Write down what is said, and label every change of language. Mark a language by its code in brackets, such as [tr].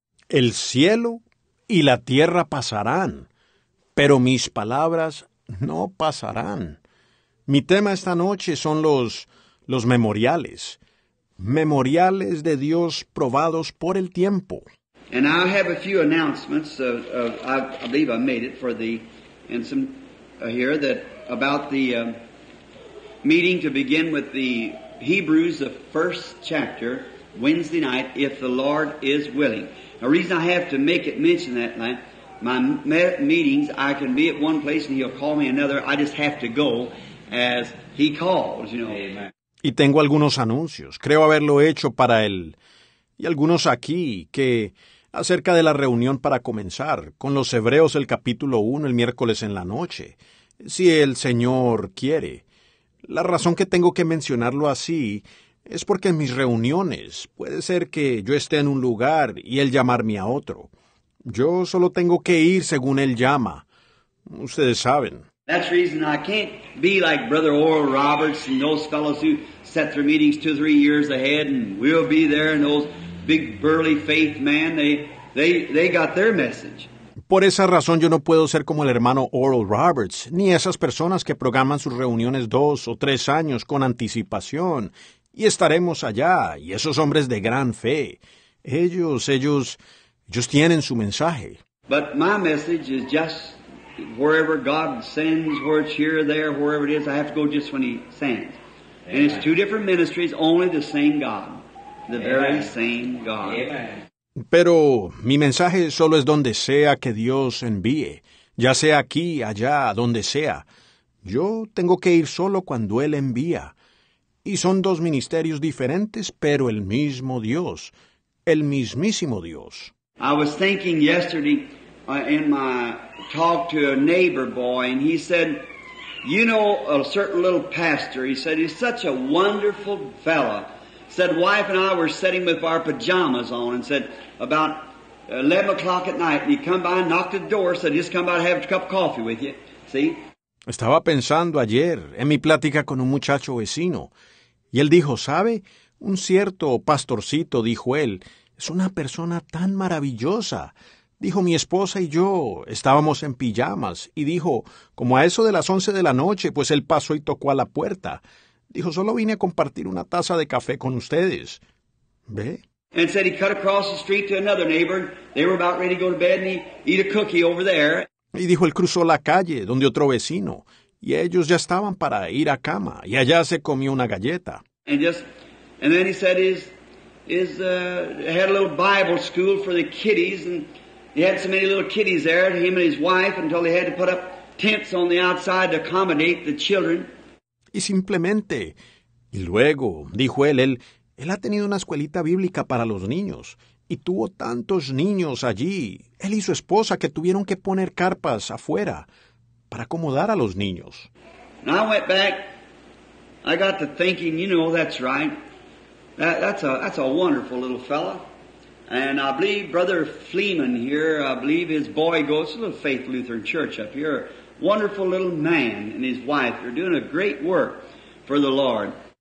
[es] El cielo y la tierra pasarán, pero mis palabras no pasarán. Mi tema esta noche son los memoriales. Memoriales de Dios probados por el tiempo. [en] And I have a few announcements. I believe I made it for the, and some here that about the meeting to begin with the Hebrews, the first chapter, Wednesday night, if the Lord is willing. The reason I have to make it mention that night, my meetings, I can be at one place and he'll call me another. I just have to go as he calls, you know. Amen. [es] Y tengo algunos anuncios. Creo haberlo hecho para él. Y algunos aquí que acerca de la reunión para comenzar con los Hebreos el capítulo 1 el miércoles en la noche, si el Señor quiere. La razón que tengo que mencionarlo así es porque en mis reuniones puede ser que yo esté en un lugar y él llamarme a otro. Yo solo tengo que ir según él llama. Ustedes saben. [en] That's the reason I can't be like Brother Oral Roberts and those fellows who set their meetings 2 or 3 years ahead and we'll be there and those big burly faith man, they got their message. [es] Por esa razón yo no puedo ser como el hermano Oral Roberts, ni esas personas que programan sus reuniones 2 o 3 años con anticipación. Y estaremos allá, y esos hombres de gran fe, ellos tienen su mensaje. [en] But my message is just wherever God sends, where it's here, there, wherever it is, I have to go just when he sends. Amen. And it's 2 different ministries, only the same God. The very same God. Amen. [es] Pero mi mensaje solo es donde sea que Dios envíe, ya sea aquí, allá, donde sea. Yo tengo que ir solo cuando Él envía. Y son 2 ministerios diferentes, pero el mismo Dios, el mismísimo Dios. [en] I was thinking yesterday in my talk to a neighbor boy, and he said, you know, a certain little pastor, he said, he's such a wonderful fella. Said, wife and I were sitting with our pajamas on, and said, about 11 o'clock at night, and he come by and knocked at the door, said, just come by to have a cup of coffee with you. See? [es] Estaba pensando ayer en mi plática con un muchacho vecino, y él dijo, ¿sabe? Un cierto pastorcito, dijo él, es una persona tan maravillosa. Dijo, mi esposa y yo estábamos en pijamas, y dijo, como a eso de las 11 de la noche, pues él pasó y tocó a la puerta. Dijo, solo vine a compartir una taza de café con ustedes. ¿Ve? [en] And said he cut across the street to another neighbor. They were about ready to go to bed and he eat a cookie over there. [es] Y dijo, él cruzó la calle donde otro vecino. Y ellos ya estaban para ir a cama. Y allá se comió una galleta. [en] And then he said had a little Bible school for the kiddies. And he had so many little kiddies there, him and his wife, until they had to put up tents on the outside to accommodate the children. [es] Y simplemente, y luego, dijo él ha tenido una escuelita bíblica para los niños, y tuvo tantos niños allí, él y su esposa, que tuvieron que poner carpas afuera para acomodar a los niños. [en] And I went back, I got to thinking, you know, that's right, that's a wonderful little fella. And I believe Brother Fleeman here, I believe his boy goes to the Faith Lutheran Church up here. Wonderful little man and his wife are doing a great work for the Lord.